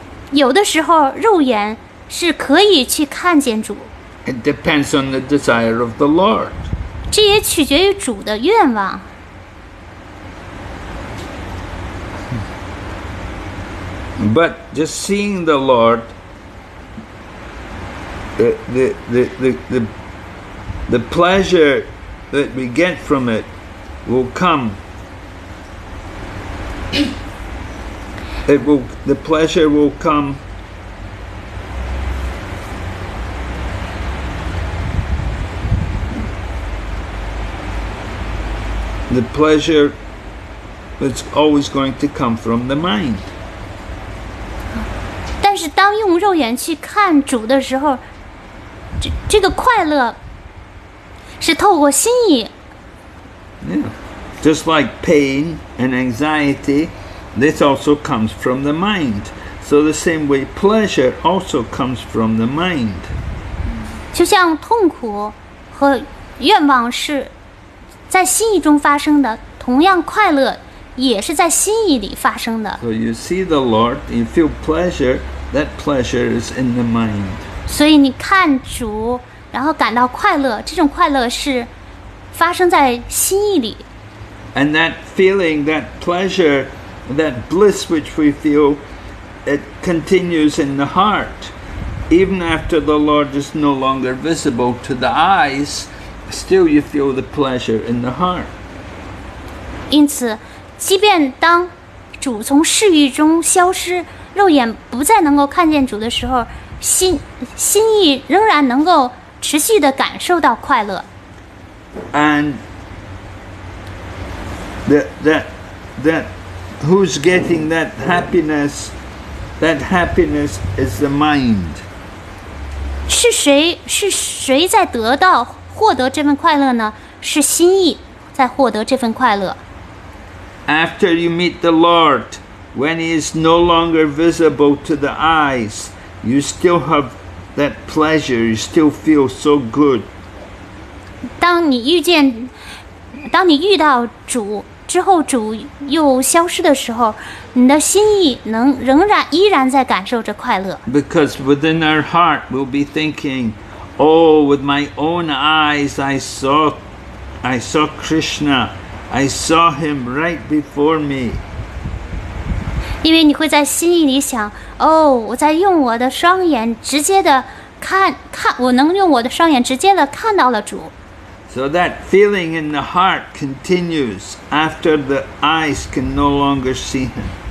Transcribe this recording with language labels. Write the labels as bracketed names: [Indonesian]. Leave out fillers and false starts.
[Chinese] 有的时候肉眼是可以去看见主。 [English] It depends on the desire of the Lord. [Chinese] 这也取决于主的愿望。 [English] But just seeing the Lord, the pleasure that we get from it will come. The pleasure will come the pleasure that's always going to come from the mind. [Chinese] 但是当用肉眼去看主的时候，这个快乐是透过心意。 Yeah. [English] Just like pain and anxiety, this also comes from the mind. So the same way, pleasure also comes from the mind. [Chinese] 就像痛苦和愿望是在心意中发生的，同样快乐也是在心意里发生的。 [English] So you see the Lord, you feel pleasure, that pleasure is in the mind. [Chinese] 所以你看主，然后感到快乐，这种快乐是发生在心意里。 [English] And that feeling, that pleasure, that bliss which we feel, it continues in the heart. Even after the Lord is no longer visible to the eyes, still you feel the pleasure in the heart. [Chinese] 因此，即便当主从视域中消失，肉眼不再能够看见主的时候，心意仍然能够持续地感受到快乐。 [English] And that who's getting that happiness? That happiness is the mind. [Chinese] 是谁在得到获得这份快乐呢？是心意在获得这份快乐。 [English] After you meet the Lord, when he is no longer visible to the eyes, you still have that pleasure. You still feel so good. [Chinese] 当你遇到主之后，主又消失的时候，你的心意仍然在感受着快乐。 [English] Because within our heart we'll be thinking, oh, with my own eyes I saw Krishna, I saw him right before me. [Chinese] 因为你会在心意里想，哦，我在用我的双眼直接的看，我能用我的双眼直接的看到了主。 [English] So that feeling in the heart continues after the eyes can no longer see him.